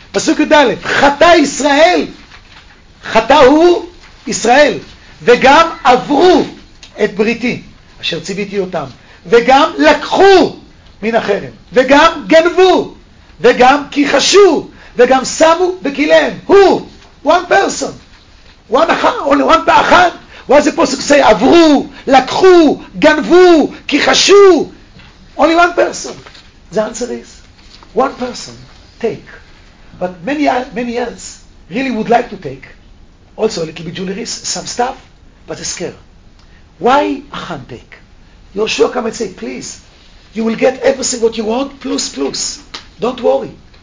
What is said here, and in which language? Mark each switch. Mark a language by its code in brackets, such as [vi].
[he] פסוק י"ד, חטא ישראל, חטא הוא ישראל, וגם עברו את בריתי, אשר ציוויתי אותם, וגם לקחו מן החרם, וגם גנבו, וגם כיחשו, וגם שמו בכליהם. [en] הוא, one person, one אחד, only one באחד, what does the פסוק say? [he] עברו, לקחו, גנבו, כיחשו, [en] only one person. The answer is, one person, take. But many else really would like to take also a little bit jewelry, some stuff, but they're scared. Why Achan take? Yoshua come and say, please, you will get everything what you want, plus. Don't worry.